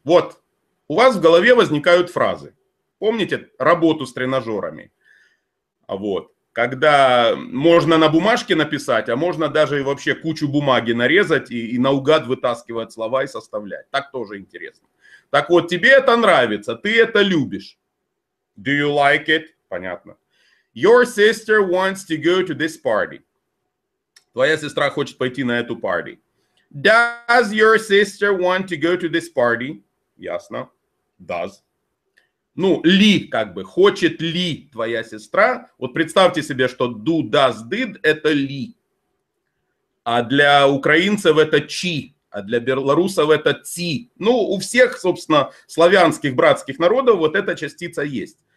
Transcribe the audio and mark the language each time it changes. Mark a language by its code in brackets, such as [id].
[ru] Вот, у вас в голове возникают фразы. Помните работу с тренажерами? Вот. Когда можно на бумажке написать, а можно даже и вообще кучу бумаги нарезать и наугад вытаскивать слова и составлять. Так тоже интересно. Так вот, тебе это нравится, ты это любишь. [en] Do you like it? [ru] Понятно. [en] Your sister wants to go to this party. [ru] Твоя сестра хочет пойти на эту party. [en] Does your sister want to go to this party? [ru] Ясно. Does. Ну, ли, как бы, хочет ли твоя сестра. Вот представьте себе, что do, does, did – это ли. А для украинцев это чи, а для белорусов это ци. Ну, у всех, собственно, славянских братских народов вот эта частица есть.